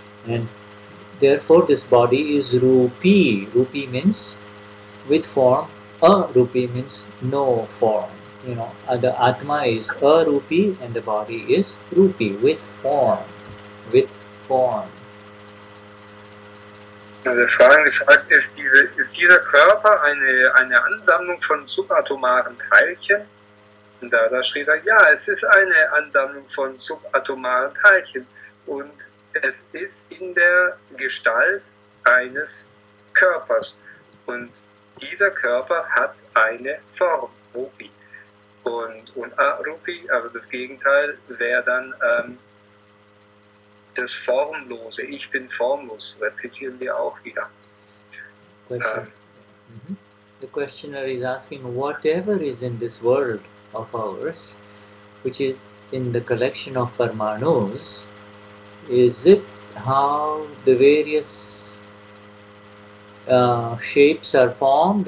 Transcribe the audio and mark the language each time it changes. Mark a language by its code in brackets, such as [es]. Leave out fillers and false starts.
[en] And therefore this body is Rupi. Rupi means with form. A Rupi means no form. You know, the Atma is a Rupi and the body is Rupi with form. With form. [de] Also gefragt ist, dieser Körper eine Ansammlung von subatomaren Teilchen? Und da schrieb er, ja, es ist eine Ansammlung von subatomaren Teilchen. Und es ist in der Gestalt eines Körpers. Und dieser Körper hat eine Form, Rupi. Und Rupi, also das Gegenteil, wäre dann das Formlose, ich bin formlos, rezitieren wir auch wieder. [en] The questioner is asking, whatever is in this world of ours, which is in the collection of Parmanus, is it how the various shapes are formed?